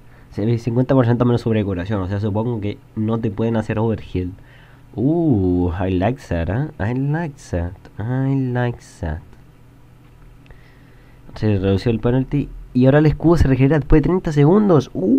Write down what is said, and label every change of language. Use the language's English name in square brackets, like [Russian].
[Spanish] Se ve 50% menos sobrecuración. O sea, supongo que no te pueden hacer overheal. [English] I like that, ¿eh? I like that. I like that. [Spanish] Se redució el penalty. Y ahora el escudo se regenera después de 30 segundos.